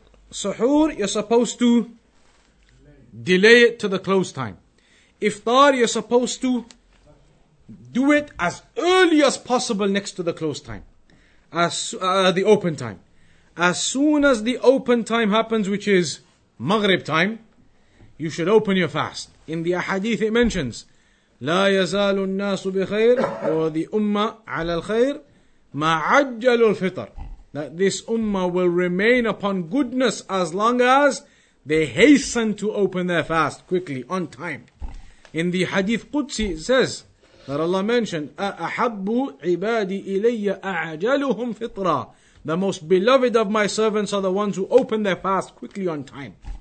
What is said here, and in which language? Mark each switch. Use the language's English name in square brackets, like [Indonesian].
[English] Sahur, you're supposed to delay it to the close time. Iftar, you're supposed to do it as early as possible next to the close time, the open time. As soon as the open time happens, which is Maghrib time, you should open your fast. In the ahadith, it mentions, [Arabic] لا يزال الناس بخير وذي أمة على الخير ما عجل الفطر. [English] That this ummah will remain upon goodness as long as they hasten to open their fast quickly, on time. In the hadith Qudsi, it says that Allah mentioned, [Arabic] أَحَبُّ عِبَادِي إِلَيَّ أَعْجَلُهُمْ فِطْرًا. [English] The most beloved of my servants are the ones who open their fast quickly on time.